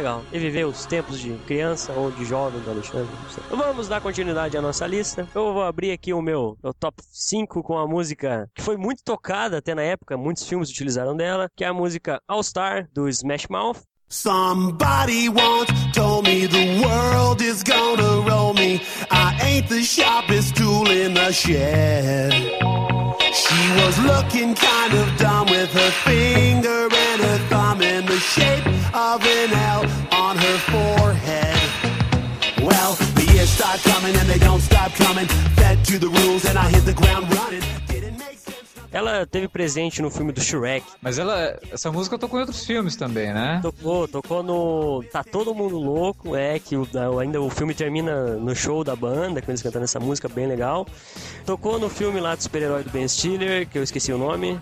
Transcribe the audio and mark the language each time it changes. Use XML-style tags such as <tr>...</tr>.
<pt>Reviver os tempos de criança ou de jovem do Alexandre. Vamos dar continuidade à nossa lista. Eu vou abrir aqui o meu top 5 com a música que foi muito tocada até na época, muitos filmes utilizaram dela, que é a música All Star, do Smash Mouth.</pt> <en>Somebody once told me the world is gonna roll me. I ain't the sharpest tool in the shed. She was looking kind of dumb with her finger and her thumb in the shape of an L on her forehead. Well, the years start coming and they don't stop coming. Fed to the rules and I hit the ground running. Didn't make sense.</en> <pt>Ela teve presente no filme do Shrek. Mas ela, essa música tocou em outros filmes também, né? Tocou no Tá Todo Mundo Louco, é, que ainda o filme termina no show da banda, com eles cantando essa música, bem legal. Tocou no filme lá do super-herói do Ben Stiller, que eu esqueci o nome.</pt>